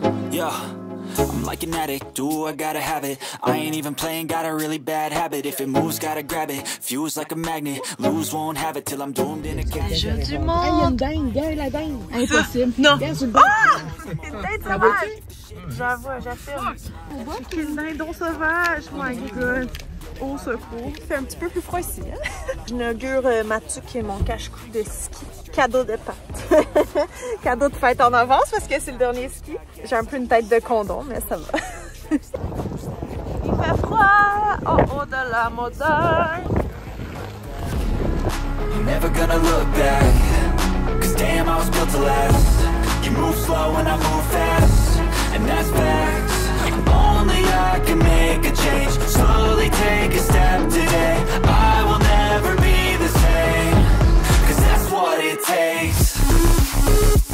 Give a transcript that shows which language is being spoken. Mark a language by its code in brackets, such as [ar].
[en] Yo, I'm like an addict, do I gotta have it? I ain't even playing, got a really bad habit. If it moves, gotta grab it. Fuse like a magnet, lose, won't have it till I'm doomed in a cage. [fr] Je du monde. Elle est dingue, gueule la dingue. Impossible. Non. Ah! Une dinde sauvage. J'avoue, j'affirme. Quel dindon sauvage, [en] my god. [fr] Au secours. Il fait un petit peu plus froid ici. Hein? J'inaugure ma tuque et mon cache-cou de ski. Cadeau de pâte. Cadeau de fête en avance parce que c'est le dernier ski. J'ai un peu une tête de condom, mais ça va. Il fait froid au haut de la montagne. [en] You're never gonna look back. Cause damn, I was built to last. You move slow and I move fast. And that's facts. Only I can make a change. Slowly take a step today. I will never be the same. Cause that's what it takes.